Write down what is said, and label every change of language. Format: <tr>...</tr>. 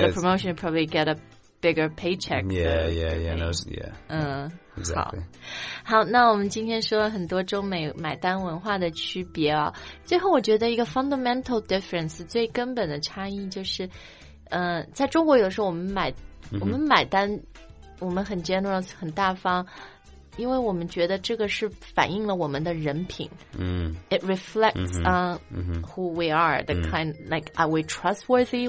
<en>get a promotion, you probably get a bigger paycheck. Yeah, exactly.</en> <zh>好那我们今天说了很多中美买单文化的区别啊。最后我觉得一个</zh> <en>fundamental difference,</en> <zh>最根本的差异就是在中国有时候我们买单我们很 generous, 很大方。因为我们觉得这个是反映了我们的人品。</zh> <en>It reflects who we are, the kind, like, are we trustworthy?</en>